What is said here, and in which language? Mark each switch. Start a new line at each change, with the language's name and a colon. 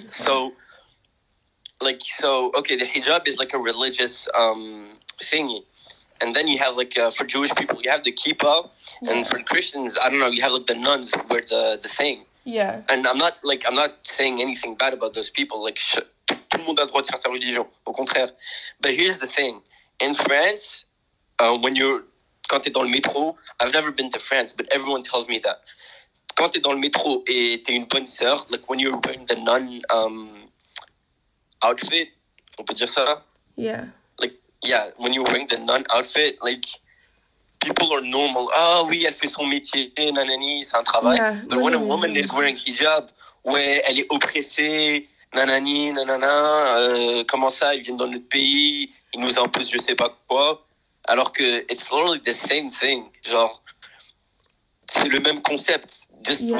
English: So, okay, the hijab is like a religious thingy. And then you have like, for Jewish people, you have the kippah. Yeah. And for Christians, I don't know, you have like the nuns who wear the thing. Yeah. And I'm not saying anything bad about those people. Like,
French: tout le monde a le droit de faire sa religion. Au contraire.
English: But here's the thing. In France,
French: quand t'es dans le métro,
English: I've never been to France, but everyone tells me that.
French: Quand t'es dans le métro et t'es une bonne sœur,
English: like when you're wearing the nun outfit,
French: on peut dire ça?
English: Yeah. Like, yeah, when you're wearing the nun outfit, like, people are normal.
French: Ah oui, elle fait son métier, nanani, c'est un travail.
English: Yeah, but when a woman is wearing hijab,
French: ouais, elle est oppressée, nanani, nanana, comment ça, ils viennent dans notre pays, ils nous imposent je sais pas quoi. Alors que
English: it's literally the same thing.
French: Genre, c'est le même concept.
English: Just yeah.